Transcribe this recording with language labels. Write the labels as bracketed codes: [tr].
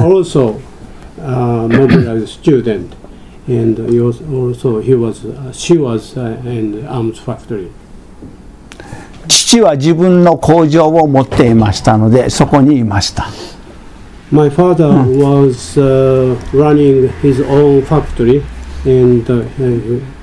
[en] Was also a mobilized student, and also he was, she was in the arms factory. [ja] 父は自分の工場を持っていましたので、そこにいました。 [en] My father was running his own factory, and